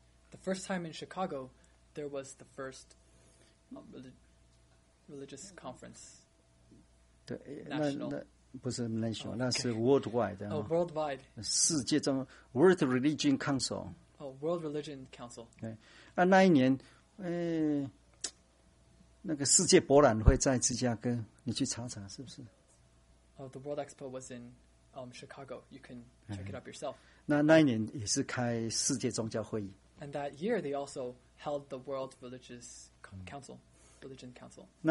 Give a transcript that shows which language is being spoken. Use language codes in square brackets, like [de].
[en] The first time in Chicago, there was the first religious conference. [zh] 对，那不是national，那是 worldwide。 [en] Oh, worldwide. [zh] 世界中 [en] World Religion Council. Oh, World Religion Council. [zh] 对，那一年，那个世界博览会在芝加哥。你去查查是不是? [en] Oh, the World Expo was in Chicago. You can check it up yourself. [zh] 那一年也是开世界宗教会议。 [en] And that year, they also held the World Religious Council, Religion Council.